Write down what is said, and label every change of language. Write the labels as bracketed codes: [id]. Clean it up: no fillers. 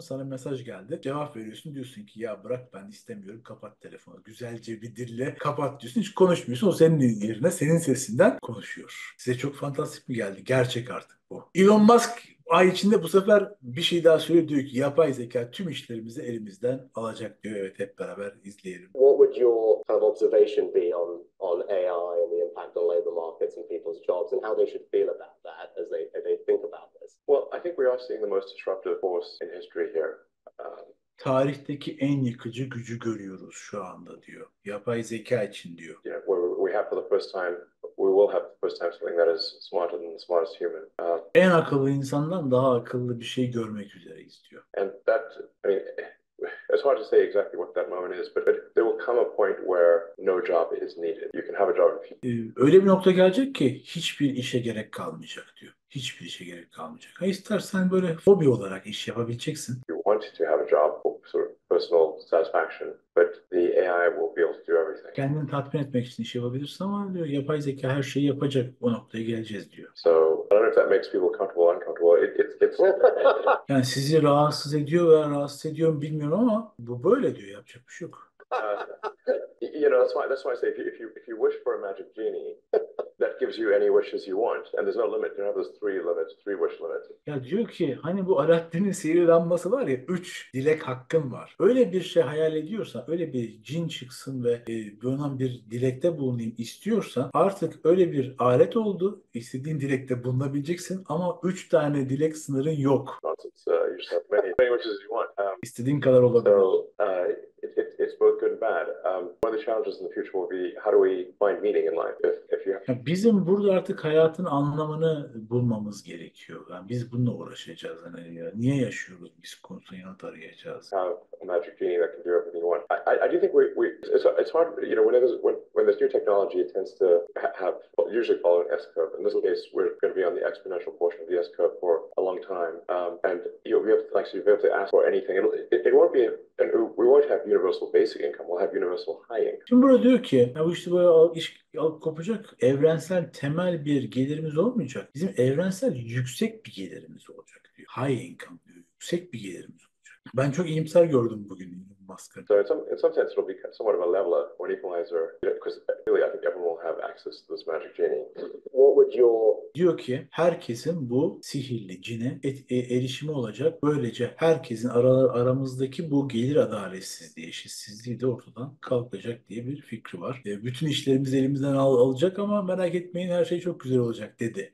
[tr] Sana mesaj geldi. Cevap veriyorsun. Diyorsun ki ya bırak, ben istemiyorum. Kapat telefonu. Güzelce bir dille kapat diyorsun. Hiç konuşmuyorsun. O senin yerine senin sesinden konuşuyor. Size çok fantastik mi geldi? Gerçek artık bu. Elon Musk ay içinde bu sefer bir şey daha söylüyor, diyor ki yapay zeka tüm işlerimizi elimizden alacak diyor. Evet, hep beraber izleyelim. [en] What would your kind of observation be on AI and the impact on labor markets and people's jobs and how they should feel about that as they think about this? Well, I think we are seeing the most disruptive force in history here. [tr] Tarihteki en yıkıcı gücü görüyoruz şu anda diyor. Yapay zeka için diyor. [en] Yeah, we have for the first time. We will have the first time something that is smarter than the smartest human. [tr] En akıllı insandan daha akıllı bir şey görmek üzereyiz diyor. [en] And that, I mean, it's hard to say exactly what that moment is, but there will come a point where no job is needed. You can have a job if you... [tr] Öyle bir nokta gelecek ki hiçbir işe gerek kalmayacak diyor. Hiçbir işe gerek kalmayacak. Ha, istersen böyle hobi olarak iş yapabileceksin. [en] You want to have a job for sort of personal satisfaction, but the AI will be able to do everything. [tr] Kendini tatmin etmek için iş yapabilirsin ama diyor yapay zeka her şeyi yapacak, o noktaya geleceğiz diyor. [en] So I don't know if that makes people comfortable or uncomfortable. It's [tr] yani sizi rahatsız ediyor veya rahatsız ediyor bilmiyorum ama bu böyle diyor, yapacak bir şey yok. [en] You know, that's why I say if you wish for a magic genie that gives you any wishes you want and there's no limit, you have those three wish limits. [tr] Ya diyor ki hani bu Aladdin'in sihirli lambası var ya, 3 dilek hakkın var. Öyle bir şey hayal ediyorsan, öyle bir cin çıksın ve bulunan bir dilekte bulunayım istiyorsan artık öyle bir alet oldu, istediğin dilekte bulunabileceksin ama 3 tane dilek sınırın yok. [en] You just have many wishes you want. [tr] İstediğin kadar olabilir. [en] It's both good and bad. One of the challenges in the future will be how do we find meaning in life if you have... [tr] Bizim burada artık hayatın anlamını bulmamız gerekiyor. Yani biz bununla uğraşacağız. Yani ya, niye yaşıyoruz biz konusunu yanıt arayacağız. [en] Have a magic genie that can do everything you want. I do think it's hard, you know, when there's new technology, it tends to have usually follow an S-curve. In this case, we're going to be on the exponential portion of the S-curve for a long time. And you'll be able to ask for anything. It won't be we won't have universal basic income. We'll have universal high income. [tr] Şimdi burada diyor ki, ya bu işte böyle iş alıp kopacak, evrensel temel bir gelirimiz olmayacak. Bizim evrensel yüksek bir gelirimiz olacak diyor. [en] High income [tr] diyor. Yüksek bir gelirimiz olacak. Ben çok iyimser gördüm bugün. [en] So in some sense it'll be somewhat of a leveler or equalizer, because you know, really I think everyone will have access to this magic genie. What would your... [tr] Diyor ki herkesin bu sihirli cine erişimi olacak. Böylece herkesin aramızdaki bu gelir adaletsizliği, eşitsizliği de ortadan kalkacak diye bir fikri var. Bütün işlerimizi elimizden alacak ama merak etmeyin, her şey çok güzel olacak dedi.